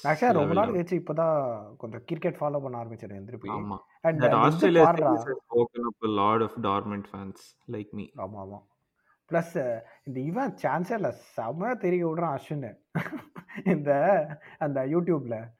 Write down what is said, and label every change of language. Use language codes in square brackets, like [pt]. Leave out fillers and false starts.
[ta] Actually, ரொம்ப நாள் கழிச்சு இப்போதான் கொஞ்சம் கிரிக்கெட் ஃபாலோ பண்ண ஆரம்பிச்சேன் எந்திரிப்பு. ஆமா. [en] And that Australia team has woken up a lot of dormant fans like me. [ta] ஆமா ஆமா. Plus இந்த இவன் சான்சல சமய தெரிய விடுறான் அஸ்வின் இந்த அந்த யூடியூப்ல.